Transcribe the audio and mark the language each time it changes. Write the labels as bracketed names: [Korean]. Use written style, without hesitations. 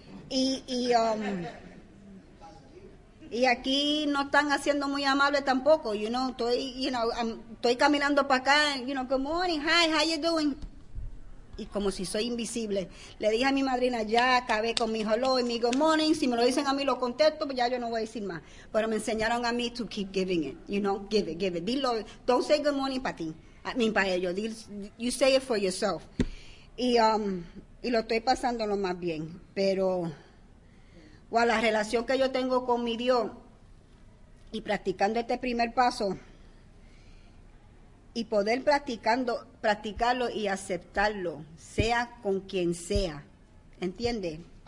[Spanish] Y aquí no están haciendo muy amable tampoco, estoy caminando para acá, [English] good morning, hi, how you doing? [Spanish] Y como si soy invisible, le dije a mi madrina, ya acabé con mi hello y mi good morning, si me lo dicen a mí lo contesto, pues ya yo no voy a decir más. Pero me enseñaron a mí [English] to keep giving it, give it. [Spanish] Dilo, [English] don't say good morning [Spanish] para ti, para ellos, [English] you say it for yourself. [Spanish] Y lo estoy pasando lo más bien, pero la relación que yo tengo con mi Dios y practicando este primer paso y poder practicarlo y aceptarlo, sea con quien sea, ¿entiende?